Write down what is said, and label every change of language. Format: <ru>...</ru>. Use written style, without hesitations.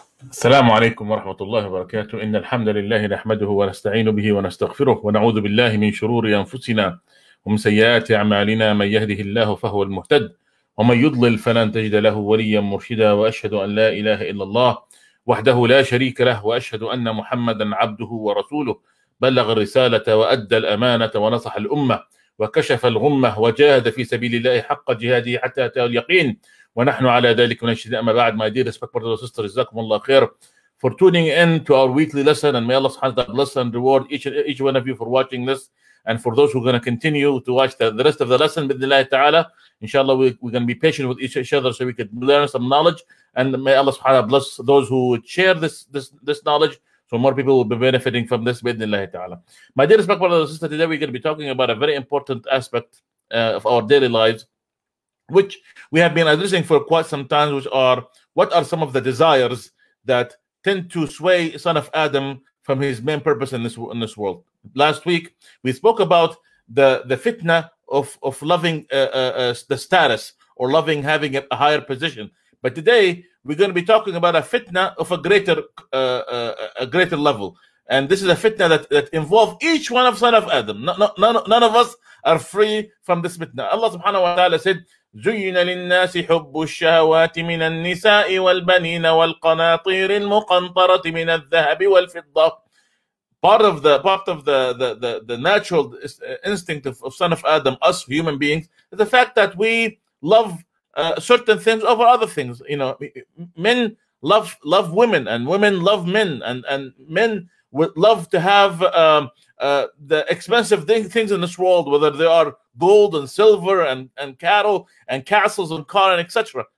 <ar>السلام عليكم ورحمة الله وبركاته. إن الحمد لله نحمده ونستعين به ونستغفره ونعوذ بالله من شرور أنفسنا ومن سيئات أعمالنا، من يهده الله فهو المهتد ومن يضلل فلن تجد له وليا مرشدا. وأشهد أن لا إله إلا الله وحده لا شريك له، وأشهد أن محمدا عبده ورسوله، بلغ الرسالة وأدى الأمانة ونصح الأمة وكشف الغمة وجاهد في سبيل الله حق جهاده حتى أتى اليقين، ونحن على ذلك من الشهداء. أما بعد،</ar> <en>my dear respect brothers and sisters,</en> <ar>جزاكم الله خير</ar> <en>for tuning in to our weekly lesson, and may Allah subhanahu wa ta'ala bless and reward each one of you for watching this, and for those who are going to continue to watch the rest of the lesson</en> <ar>بإذن الله تعالى.</ar> <en>Inshallah, we're going to be patient with each other so we could learn some knowledge, and may Allah subhanahu wa ta'ala bless those who share this knowledge so more people will be benefiting from this</en> <ar>بإذن الله تعالى.</ar> <en>My dear respect brothers and sisters, today we're going to be talking about a very important aspect of our daily lives, which we have been addressing for quite some time, which are, what are some of the desires that tend to sway son of Adam from his main purpose in this world? Last week, we spoke about the fitnah of loving the status, or loving having a higher position. But today, we're going to be talking about a fitnah of a greater level. And this is a fitnah that involves each one of son of Adam. None of us are free from this fitnah. Allah subhanahu wa ta'ala said,</en> <ar>زين للناس حب الشهوات من النساء والبنين والقناطير المقنطرة من الذهب والفضة.</ar> <en>Part of the natural instinct of son of Adam, us human beings, is the fact that we love certain things over other things. You know, men love women, and women love men, and men would love to have the expensive things in this world, whether they are gold and silver and cattle and castles and car and etc.</en>